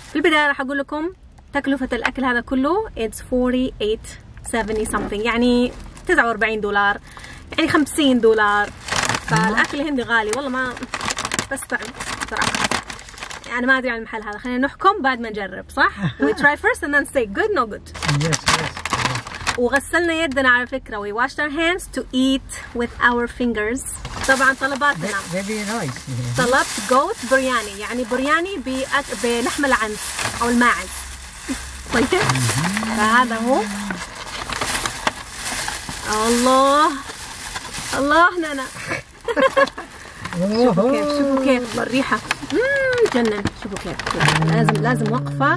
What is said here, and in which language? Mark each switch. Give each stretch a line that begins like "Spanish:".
Arabic: في البداية راح أقول لكم تكلفة الأكل هذا كله
English: it's 48.70 something،
Arabic: يعني 49 دولار، يعني 50 دولار. فالأكل الهندي غالي والله، ما بس طعم صراحة. أنا يعني ما أدري عن المحل هذا، خلينا نحكم بعد ما نجرب. صح.
English: We try first and then say good no good. Yes yes.
Arabic: وغسلنا يدنا على فكرة.
English: We washed our hands to eat with our fingers.
Arabic: طبعا طلباتنا
English: very nice.
Arabic: طلبت goat برياني، يعني برياني بلحم العنز أو الماعز. طيب فهذا هو. الله الله نانا. شوفوا كيف الريحة. جنن. شوفوا كيف. لازم وقفة.